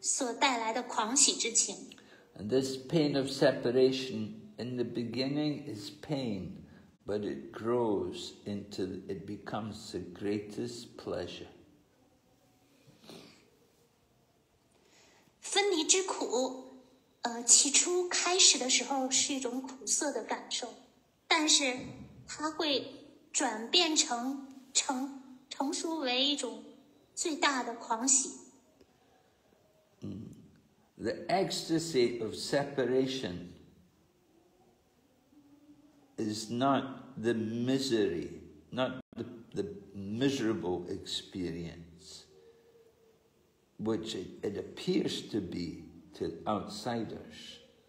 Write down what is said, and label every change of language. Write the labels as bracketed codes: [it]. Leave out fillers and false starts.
[zh] 然而,在此之上,最难以描述的是分离之爱所带来的狂喜之情。 [en] And this pain of separation in the beginning is pain, but it grows into, it becomes the greatest pleasure. [zh] 分离之苦, 起初开始的时候是一种苦涩的感受。但是它会转变成成熟为一种最大的狂喜。 [en] The ecstasy of separation is not the misery, not the miserable experience, which it appears to be to outsiders.